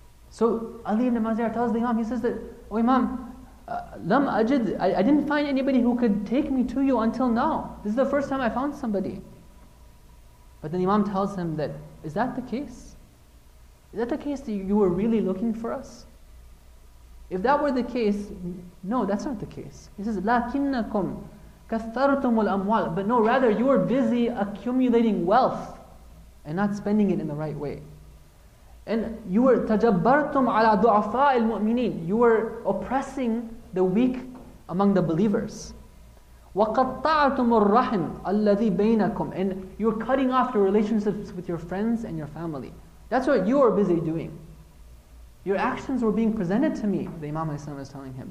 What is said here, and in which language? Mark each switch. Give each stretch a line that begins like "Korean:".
English: So Ali ibn Maziyah tells the Imam, he says that, O Imam,
Arabic: Lam ajid,
English: I didn't find anybody who could take me to you until now. This is the first time I found somebody. But then the Imam tells him that, is that the case? Is that the case that you were really looking for us? If that were the case, no, that's not the case. He says,
Arabic: لَكِنَّكُمْ كَثَّرْتُمُ الْأَمْوَالِ.
English: But no, rather you were busy accumulating wealth and not spending it in the right way. And you were
Arabic: تَجَبَّرْتُمْ عَلَى دُعَفَاءِ الْمُؤْمِنِينَ.
English: You were oppressing the weak among the believers.
Arabic: وَقَطَّعْتُمُ الرَّحِمِ الَّذِي بَيْنَكُمْ.
English: And you were cutting off your relationships with your friends and your family. That's what you were busy doing. Your actions were being presented to me, the Imam alayhi salam is telling him.